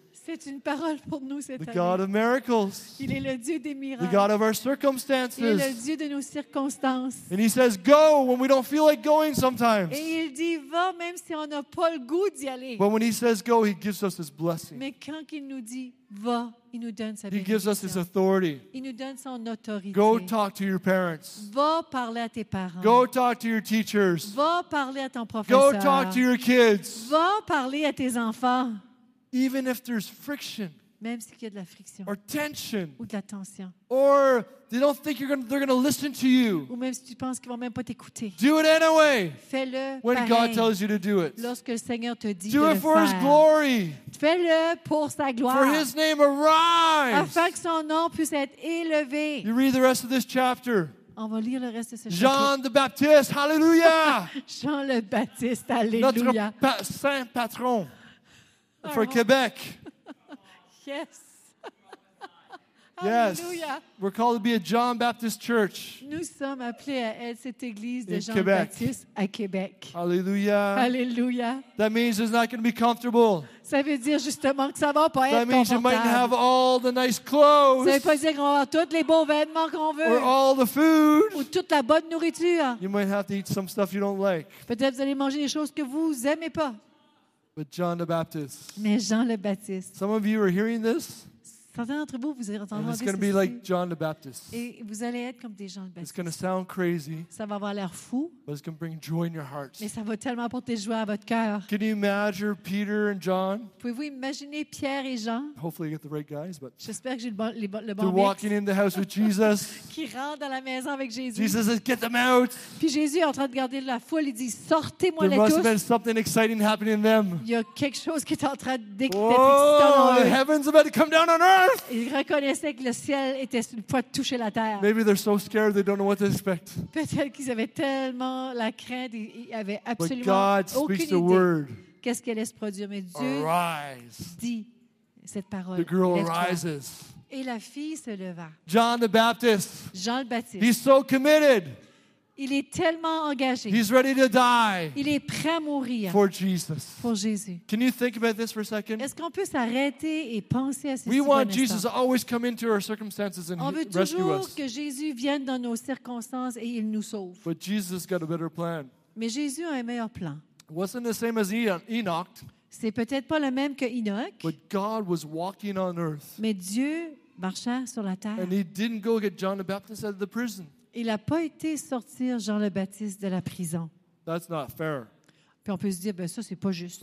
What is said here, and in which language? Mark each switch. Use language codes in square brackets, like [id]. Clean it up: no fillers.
[fr] C'est une parole pour nous cette année. [en] The God of miracles. [fr] Il est le Dieu des miracles. [en] The God of our circumstances. [fr] Il est le Dieu de nos circonstances. [en] And he says, go when we don't feel like going sometimes. [fr] Et il dit, va même si on n'a pas le goût d'y aller. [en] But when he says go, he gives us his blessing. [fr] Mais quand il nous dit, va, il nous donne sa bénédiction. [en] He gives us his authority. [fr] Il nous donne son autorité. [en] Go talk to your parents. [fr] Va parler à tes parents. [en] Go talk to your teachers. [fr] Va parler à ton professeur. [en] Go talk to your kids. [fr] Va parler à tes enfants. [en] Even if there's friction, [fr] même s'il y a de la friction, [en] or tension, [fr] ou de la tension, [en] or they don't think they're going to listen to you, [fr] ou même si tu penses qu'ils vont même pas t'écouter, [en] do it anyway. [fr] Fais-le [en] when [fr] pareil. [en] God tells you to do it. [fr] Lorsque le Seigneur te dit [en] do [fr] de [en] it [fr] le [en] for [fr] faire. [en] His glory. [fr] Fais-le pour sa gloire. [en] For His name, arise. [fr] Afin que son nom puisse être élevé. [en] You read the rest of this chapter. [fr] On va lire le reste de ce chapitre. Jean le Baptiste, hallelujah. Jean le Baptiste, hallelujah. Notre saint patron. [en] For Quebec. Yes. Yes. Hallelujah. We're called to be a John Baptist church. [fr] Nous sommes appelés à être cette église de Jean Baptiste à Québec. Hallelujah. Hallelujah. [en] That means it's not going to be comfortable. [fr] Ça veut dire justement que ça va pas être confortable. [en] That means you might have all the nice clothes. [fr] Ça veut pas dire qu'on va avoir tous les beaux vêtements qu'on veut. [en] Or all the food. [fr] Ou toute la bonne nourriture. [en] You might have to eat some stuff you don't like. [fr] Peut-être que vous allez manger des choses que vous aimez pas. [en] But John the Baptist. [fr] Mais Jean le Baptiste. [en] Some of you are hearing this. [fr] Certains d'entre vous, vous allez entendre. [en] It's going to be like John the Baptist. [fr] Et vous allez être comme des Jean le Baptiste. [en] It's going to sound crazy. [fr] Ça va avoir l'air fou. [en] But it's going to bring joy in your heart. [fr] Mais ça va tellement apporter joie à votre cœur. [en] Can you imagine Peter and John? [fr] Pouvez-vous imaginer Pierre et Jean? [en] Hopefully, you get the right guys, but. [fr] J'espère que j'ai le bon. [en] They're walking in the house with Jesus. [fr] Qui rentrent dans la maison avec Jésus. [en] Jesus says, "Get them out." [fr] Puis Jésus est en train de garder la foule. Il dit, sortez-moi les tous. [en] There must have been something exciting happening in them. [fr] Il y a quelque chose qui est en train d'exciter. [en] Oh, the heaven's about to come down on earth. [fr] Ils reconnaissaient que le ciel était sur le point de toucher la terre. [en] Maybe they're so scared they don't know what to expect. [fr] Peut-être qu'ils avaient tellement la crainte, ils avaient absolument aucune idée. [en] But God speaks the word. [fr] Qu'est-ce qu'elle allait se produire? Mais Dieu dit cette parole. [en] The girl arises. [fr] Et la fille se leva. [en] John the Baptist. [fr] Jean le Baptiste. [en] He's so committed. [fr] Il est tellement engagé. [en] He's ready to die. [fr] Il est prêt à mourir. [en] For Jesus. [fr] Pour Jésus. [en] Can you think about this for a second? [fr] Est-ce qu'on peut s'arrêter et penser à ceci? [en] We want Jesus to always come into our circumstances and rescue us. [fr] On veut toujours que Jésus vienne dans nos circonstances et il nous sauve. [en] But Jesus got a better plan. [fr] Mais Jésus a un meilleur plan. [en] Wasn't the same as Enoch. [fr] C'est peut-être pas le même que Enoch. [en] But God was walking on earth. [fr] Mais Dieu marchait sur la terre. [en] And he didn't go get John the Baptist out of the prison. [fr] Il n'a pas été sortir Jean le Baptiste de la prison. [en] That's not fair. [fr] Puis on peut se dire, ben ça, c'est pas juste.